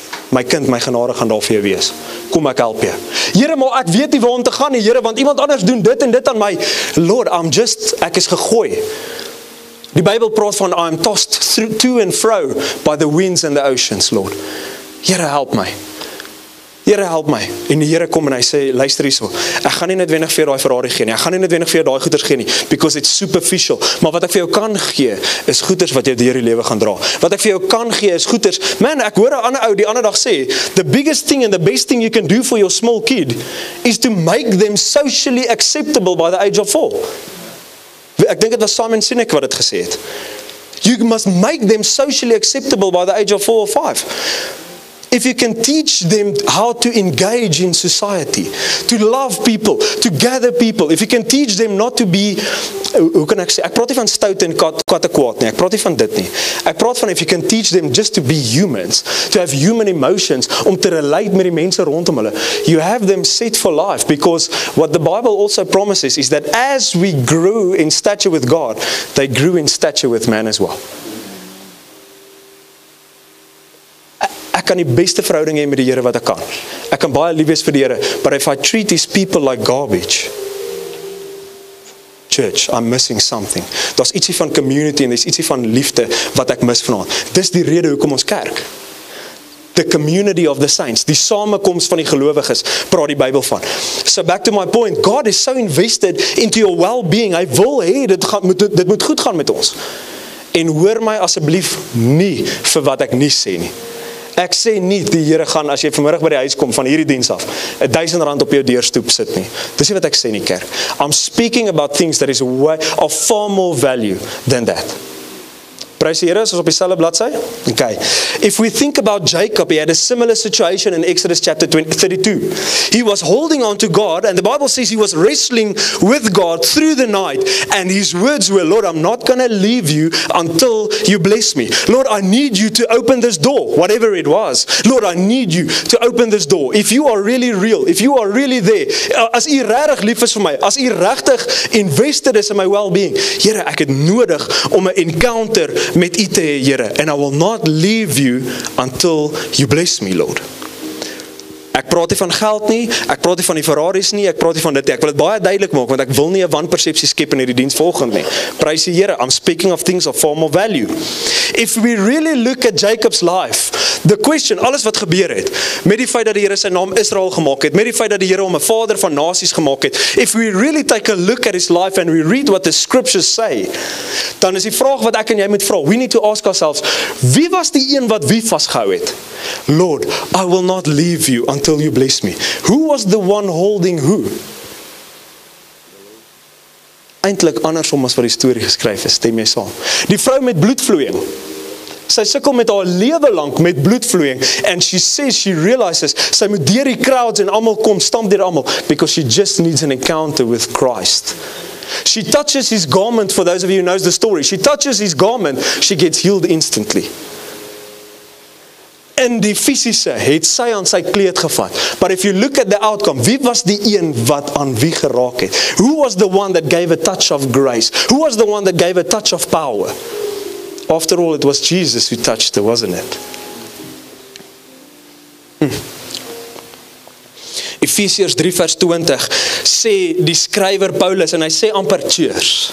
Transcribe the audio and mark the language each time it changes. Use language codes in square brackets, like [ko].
[af] My kind, my genade gaan daar vir jou wees. Kom ek help jou. Here, maar ek weet nie waar om te gaan nie, Here, want iemand anders doen dit en dit aan my. [en] Lord, I'm just, [af] ek is gegooi. Die Bybel praat van [en] I'm tossed through to and fro by the winds and the oceans, Lord. [af] Here, help my. Here, help my. En die Here kom en hy sê, luister hierso. Ek gaan nie net wenig vir daai Ferrari gee nie. Ek gaan nie net wenig vir daai goeders gee nie [en] because it's superficial. [af] Maar wat ek vir jou kan gee is goeders wat jou deur die lewe gaan dra. Wat ek vir jou kan gee is goeders. Man, ek hoor 'n ander ou die ander dag sê, [en] "The biggest thing and the best thing you can do for your small kid is to make them socially acceptable by the age of 4." [af] Ek dink dit was Simon Sinek wat dit gesê het. [en] You must make them socially acceptable by the age of 4 or 5. If you can teach them how to engage in society, to love people, to gather people, if you can teach them not to be, [af] hoe kan ek sê, ek praat nie van stout en kwaad nie, ek praat nie van dit nie. Ek praat van [en] if you can teach them just to be humans, to have human emotions, [af] om te relate met die mense rondom hulle, [en] you have them set for life, because what the Bible also promises is that as we grew in stature with God, they grew in stature with man as well. [af] Ek kan die beste verhouding hê met die Here wat ek kan. Ek kan baie lief wees vir die Here, [en] but if I treat these people like garbage, church, I'm missing something. [af] Daar's ietsie van community en daar's ietsie van liefde wat ek mis vanaand. Dis die rede hoekom ons kerk. [en] The community of the saints, [af] die samekoms van die gelowiges, praat die Bybel van. [en] So back to my point, God is so invested into your well-being. [af] Hy wil hê dit moet goed gaan met ons. En hoor my asseblief nie vir wat ek nie sê nie. Ek sê nie die Here gaan as jy vanmiddag by die huis kom van hierdie diens af R1000 op jou deurstoep sit nie. Dis nie wat ek sê nie, kerk. [en] I'm speaking about things that is way of far more value than that. [af] Prys die Here, is ons op dieselfde bladsy? [en] Okay. If we think about Jacob, he had a similar situation in Exodus chapter 32. He was holding on to God and the Bible says he was wrestling with God through the night and his words were, Lord, I'm not going to leave you until you bless me. Lord, I need you to open this door, whatever it was. Lord, I need you to open this door. If you are really real, if you are really there, [af] as u regtig lief is vir my, as u regtig invested is in my well-being, Here, ek het nodig om 'n encounter met u te hê, Here, [en] and I will not leave you until you bless me, Lord. [af] Ek praat nie van geld nie, ek praat nie van die Ferraris nie, ek praat nie van dit nie. Ek wil dit baie duidelik maak, want ek wil nie 'n wanpersepsie skep in hierdie diens volgende nie. Prys die Here, [en] I'm speaking of things of far more value. If we really look at Jacob's life, the question, [af] alles wat gebeur het, met die feit dat die Here sy naam Israel gemaak het, met die feit dat die Here hom 'n vader van nasies gemaak het, [en] if we really take a look at his life and we read what the scriptures say, [af] dan is die vraag wat ek en jy moet vra, [en] we need to ask ourselves, [af] wie was die een wat wie vasgehou het? [en] Lord, I will not leave you until you bless me. Who was the one holding who? [af] Eintlik andersom as wat die storie geskryf is, stem jy saam. Die vrou met bloedvloeiing. Sy sukkel met haar lewe lank met bloedvloeiing [en] and she says she realizes [af] sy moet deur die crowds en almal kom stamp deur almal [en] because she just needs an encounter with Christ. She touches his garment, for those of you who knows the story. She touches his garment, she gets healed instantly. [af] In die fisiese het sy aan sy kleed gevat. [en] But if you look at the outcome, [af] wie was die een wat aan wie geraak het? [en] Who was the one that gave a touch of grace? Who was the one that gave a touch of power? After all, it was Jesus who touched her, wasn't it? [af] Efesiërs 3 vers 20 sê die skrywer Paulus, en hy sê amper cheers.